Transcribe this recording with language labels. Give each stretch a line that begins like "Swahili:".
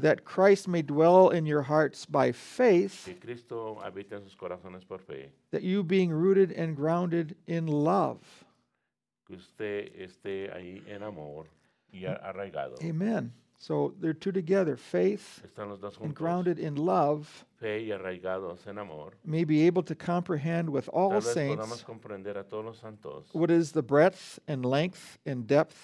English: that Christ may dwell in your hearts by faith,
Spanish: que Cristo habita en sus corazones por fe,
English: that you being rooted and grounded in love,
Spanish: que usted esté ahí en amor y arraigado. Amen.
English: So they're two together, faith and grounded in love,
Spanish: fe y arraigados en amor,
English: may be able to comprehend with all
Spanish: tal vez
English: saints
Spanish: podamos comprender a todos los santos,
English: what is the breadth and length and depth